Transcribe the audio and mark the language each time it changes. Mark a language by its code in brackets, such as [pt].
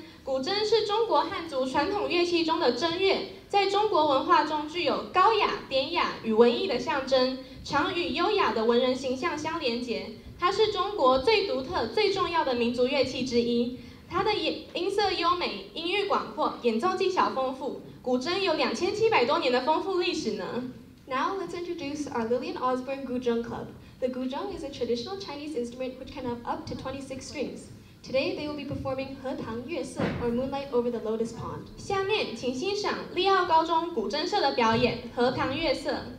[zh] 古筝是中国汉族传统乐器中的筝乐，在中国文化中具有高雅、典雅与文艺的象征，常与优雅的文人形象相连结。它是中国最独特最重要的民族乐器之一，它的音色优美，音域广阔，演奏技巧丰富，古筝有2700多年的丰富历史呢。 [en] Now let's introduce our Lillian Osborne Guzheng Club. The Guzheng is a traditional Chinese instrument which can have up to 26 strings. Today they will be performing 荷塘月色 or Moonlight over the Lotus Pond. [zh] 下面请欣赏利奥高中古筝社的表演荷塘月色。